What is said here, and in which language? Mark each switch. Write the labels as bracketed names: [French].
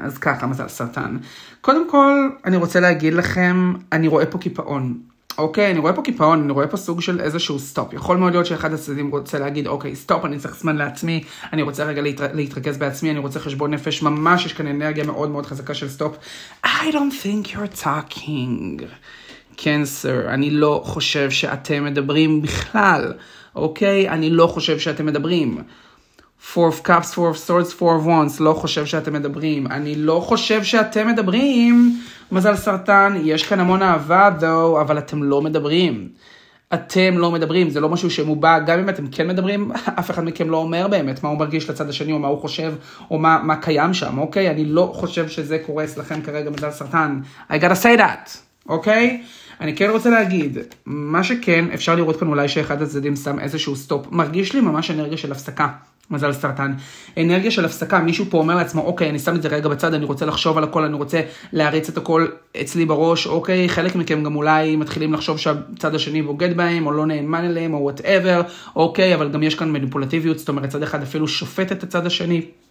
[Hebrew] אז ככה, מזל סרטן. קודם כל, אני רוצה להגיד לכם, אני רואה פה קיפאון. אוקיי, אני רואה פה קיפאון, אני רואה פה סוג של איזשהו סטופ. יכול מאוד להיות שאחד הצדדים רוצה להגיד, אוקיי, סטופ, אני צריך זמן לעצמי, אני רוצה רגע להתרכז בעצמי, אני רוצה חשבון נפש, ממש יש כאן אנרגיה מאוד מאוד חזקה של סטופ. [English] I don't think you're talking. [Hebrew] כן, סיר, אני לא חושב שאתם מדברים בכלל, אוקיי? אני לא חושב שאתם מדברים. Four of Cups, Four of Swords, Four of Wands, לא חושב שאתם מדברים. אני לא חושב שאתם מדברים. מזל סרטן, יש כאן המון אהבה, though, אבל אתם לא מדברים. אתם לא מדברים, זה לא משהו שמובע, גם אם אתם כן מדברים, אף אחד מכם לא אומר באמת מה הוא מרגיש לצד השני, או מה הוא חושב, או מה קיים שם, אוקיי? אני לא חושב שזה קורה אצלכם כרגע, מזל סרטן. [English] I gotta say that, אוקיי? [Hebrew] אני כן רוצה להגיד, מה שכן, אפשר לראות כאן אולי שאחד הצדדים שם איזשהו סטופ, מרגיש לי ממש אנרגיה של הפסקה. מזל סרטן. אנרגיה של הפסקה. מישהו פה אומר לעצמו, אוקיי, אני שם את זה רגע בצד, אני רוצה לחשוב על הכל, אני רוצה להריץ את הכל אצלי בראש, אוקיי. חלק מכם גם אולי מתחילים לחשוב שהצד השני בוגד בהם, או לא נאמן אליהם, או whatever, אוקיי, אבל גם יש כאן מניפולטיביות, זאת אומרת, צד אחד אפילו שופט את הצד השני.